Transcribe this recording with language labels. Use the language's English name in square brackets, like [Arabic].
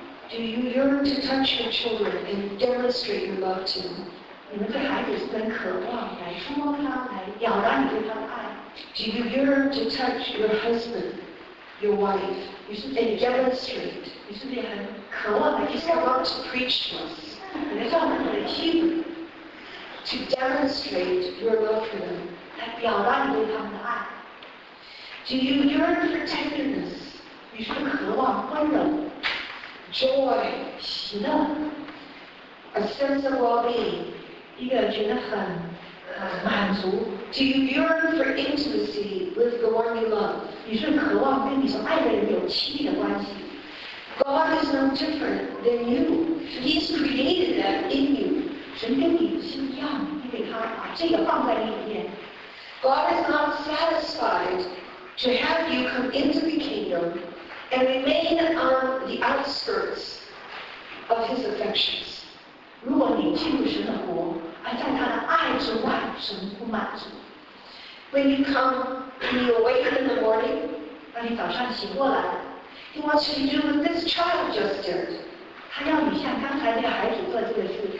[English] Do you yearn to touch your children and demonstrate your love to them? [Chinese] 你们这孩子是在渴望来触摸他，来表达你对他的爱。 [English] Do you yearn to touch your husband, your wife? You should be demonstrate. You should be [Chinese] 很渴望的。 [English] He's about to preach to us. [Chinese] 你在向我们的 Hebrew [English] to demonstrate your love for them. [Chinese] 来表达你对他们的爱。 [English] Do you yearn for tenderness? [Chinese] 你是渴望温柔。 [English] Joy, [Chinese] 喜乐。 [English] A sense of well-being. [Chinese] 一个觉得很满足。 [English] Do you yearn for intimacy with the one you love? [Chinese] 你是渴望跟你所爱的人有亲密的关系。 [English] God is no different than you. He's created that in you. [Chinese] 神跟你是一样的，你给他把这个放在里面。 [English] God is not satisfied to have you come into the kingdom and remain on the outskirts of his affections. [Chinese] 如果你进入神的国，而在他的爱之外，神不满足。 [English] When you come, when you awake in the morning, [Chinese] 当你早上醒过来， [English] He wants you to do what this child just did. [Chinese] 他要你像刚才那个孩子做这个事。